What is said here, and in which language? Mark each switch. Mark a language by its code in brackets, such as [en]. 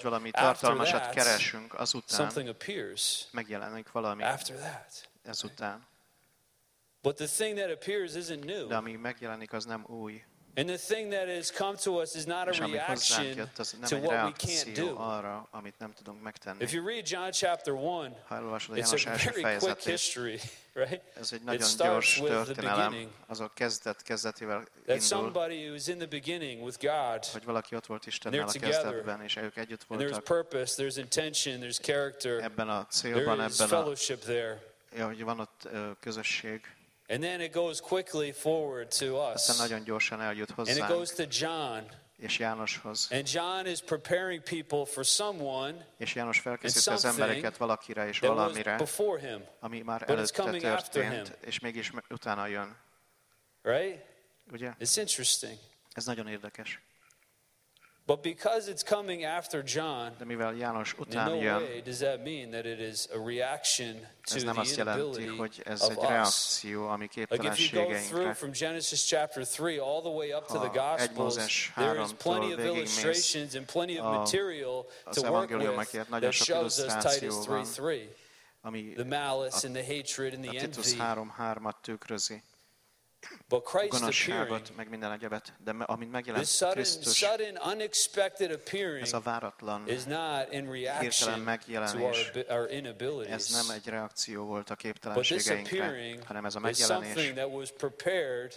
[hu] hogy valami tartalmasat keresünk, azután [en] something appears. [hu] Megjelenik valami. [en] After that, [hu] azután. [en] But the thing that appears isn't new. [hu] De ami megjelenik, az nem új. [en] And the thing that has come to us is not a reaction to what we can't do. [hu] Arra, amit nem tudunk megtenni. [en] If you read John chapter 1, it's a very quick history, right? [hu] Ez egy nagyon gyors történelem, az a kezdet, kezdetével indul. [en] That somebody who's in the beginning with God, [hu] hogy valaki ott volt Istennel a kezdetben, és ők együtt voltak. [en] There's purpose, there's intention, there's character. [hu] Ebben a célban, ebben a [en] fellowship there. [hu] Ja, hogy van ott közösség. [en] And then it goes quickly forward to us. [hu] Aztán nagyon gyorsan eljut hozzánk. [en] And it goes to John. [hu] És Jánoshoz. [en] And John is preparing people for someone. [hu] És János felkészíti az embereket valakire és valamire. [en] Before him. [hu] Ami már előtte történt, és mégis utána jön. [en] Right? [hu] Ugye? [en] It's interesting. [hu] Ez nagyon érdekes. [en] But because it's coming after John, [hu] de mivel János után [en] in no [hu] jön, [en] way does that mean that it is a reaction to the inability [hu] jelenti, hogy ez [en] of [hu] egy reakció, [en] us. Like if you go through from Genesis chapter 3 all the way up to the Gospels, there is plenty of illustrations and plenty of material to work with that shows us Titus 3:3, the malice and the hatred and the envy. [hu] Titus 3:3-at tükrözi. [en] But Christ appeared, [hu] meg minden egyebet, de amint megjelent [en] this sudden, [hu] Krisztus, [en] sudden unexpected appearing [hu] ez a váratlan [en] is not in reaction to our inabilities. [hu] Ez nem egy reakció volt a képtelenségeinkre, hanem ez a megjelenés. [en] Something that was prepared